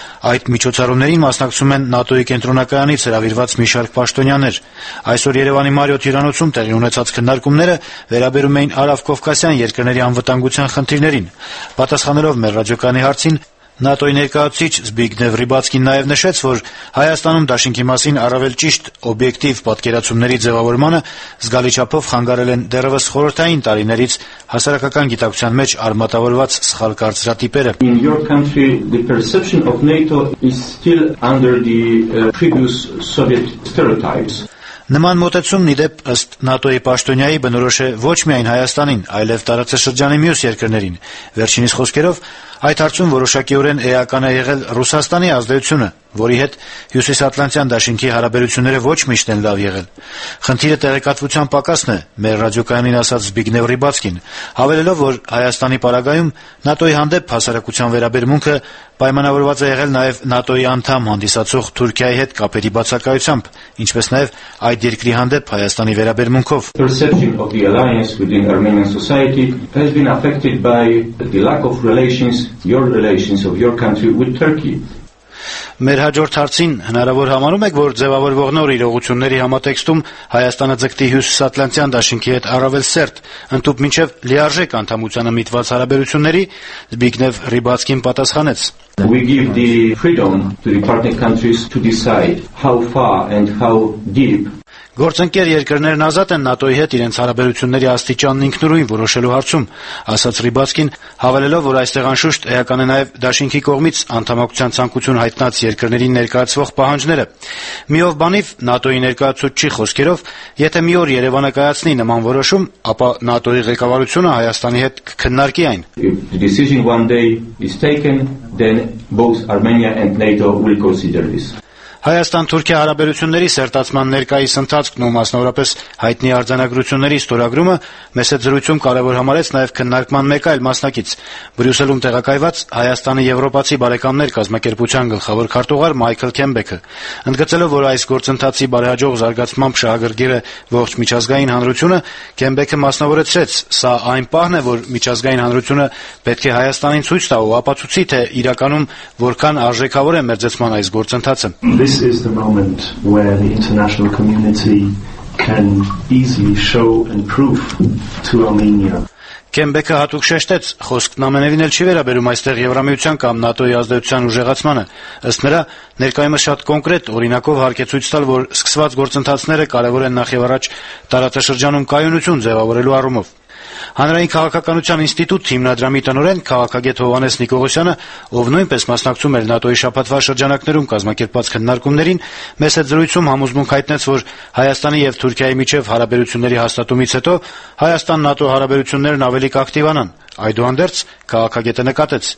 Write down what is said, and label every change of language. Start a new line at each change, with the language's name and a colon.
Armenian: Այդ միջոցառումներին մասնակցում են ՆԱՏՕ-ի կենտրոնակայանից հրավիրված մի շարք պաշտոնյաներ։ Այսօր Երևանի Մարիոթ հյուրանոցում տեղի ունեցած քննարկումները վերաբերում էին Արաֆ-Կովկասյան երկրների անվտանգության խնդիրներին։ Պատասխանելով մեր ռադիոկայանի հարցին, ՆԱՏՕ-ի ներկայացուցիչ Զբիգնև Ռիբացկին նաև նշեց, որ Հայաստանում դաշինքի մասին առավել ճիշտ օբյեկտիվ պատկերացումների ձևավորմանը զգալիչապով խանգարել են դեռևս խորհրդային տարիներից հասարակական գիտակցության մեջ արմատավորված սխալ կարծրատիպերը։
English: In your country the perception of NATO is still under the previous Soviet stereotypes.
Armenian: Նման մոտեցումն ի դեպ ըստ ՆԱՏՕ-ի պաշտոնյայի բնորոշ է ոչ միայն Հայաստանին, այլև տարածաշրջանի մյուս երկրներին։ Վերջինիս խոսքերով այդ հարցում որոշակիորեն էական է եղել Ռուսաստանի ազդեցությունը, որի հետ Հյուսիսատլանտյան դաշինքի հարաբերությունները ոչ միշտ են լավ եղել։ Խնդիրը տեղեկատվության պակասն է, մեր ռադիոկայանին ասաց Զբիգնև Ռիբացկին, հավելելով, որ Հայաստանի պարագայում ՆԱՏՕ-ի հանդեպ հասարակության վերաբերմունքը պայմանավորված է եղել նաև ՆԱՏՕ-ի անդամ հանդիսացող Թուրքիայի հետ կապերի բացակայությամբ, ինչպես նաև այդ երկրի հանդեպ Հայաստանի վերաբերմունքով։ Մեր հաջորդ հարցին հնարավոր համարում եք, որ ձևավորվող նոր իրողությունների համատեքստում Հայաստանը ձգտի Հյուսիսատլանտյան դաշինքի հետ առավել սերտ, ընդհուպ մինչև լիարժեք անդամությանը միտված հարաբերությունների, Զբիգնև Ռիբացկին պատասխանեց.
English: We give the freedom to the partner countries to decide how far and how deep.
Armenian: Գործընկեր երկրներն ազատ են ՆԱՏՕ-ի հետ իրենց հարաբերությունների աստիճանն ինքնուրույն որոշելու հարցում, ասաց Ռիբացկին, հավելելով, որ այստեղ անշուշտ էական է նաև դաշինքի կողմից անդամակցության ցանկություն հայտնած երկրների ներկայացվող պահանջները։ Միով բանիվ ՆԱՏՕ-ի ներկայացուցիչի խոսքերով, եթե մի օր Երևանը կայացնի նման որոշում, ապա ՆԱՏՕ-ի ղեկավարությունը Հայաստանի հետ կքննարկի այն։ Հայաստան-Թուրքիա հարաբերությունների սերտացման ներկայիս ընթացքն ու մասնավորապես հայտնի արձանագրությունների ստորագրումը մեզ հետ զրույցում կարևոր համարեց նաև քննարկման մեկ այլ մասնակից՝ Բրյուսելում տեղակայված Հայաստանի Եվրոպացի բարեկամներ կազմակերպության գլխավոր քարտուղար Մայքլ Քեմբեքը, ընդգծելով, որ այս գործընթացի բարեհաջող զարգացմամբ շահագրգիր է ողջ միջազգային հանրությունը, Քեմբեքը մասնավորեցրեց, սա այն պահն է, որ միջազգային հանրությունը պետք է Հայաստանին ցույց տա ու ապացուցի, թե իրականում որքան արժեքավոր է մեր ձեզման այս գործընթացը։
English: This is the moment where the international community can easily show and prove to Armenia.
Armenian: Քեմբեքը հատուկ շեշտեց, խոսքն ամենևին էլ չի վերաբերում այստեղ Եվրամիության կամ ՆԱՏՕ-ի ազդեցության ուժեղացմանը, ըստ նրա ներկայումս շատ կոնկրետ օրինակով հարկե ցույց տալ, որ սկսված գործընթացները կարևոր են նախ եւ առաջ տարածաշրջանում կայունություն ձևավորելու առումով։ Հանրային քաղաքականության ինստիտուտ հիմնադրամի տնօրեն քաղաքագետ Հովանես Նիկողոսյանը, ով նույնպես մասնակցում էր ՆԱՏՕ-ի շփաթվա շրջանակներում կազմակերպած քննարկումներին, մեզ հետ զրույցում համոզմունք հայտնեց, որ Հայաստանի և Թուրքիայի միջև հարաբերությունների հաստատումից հետո Հայաստան-ՆԱՏՕ հարաբերություններն ավելի կակտիվանան։ Այդուհանդերձ քաղաքագետը նկատեց.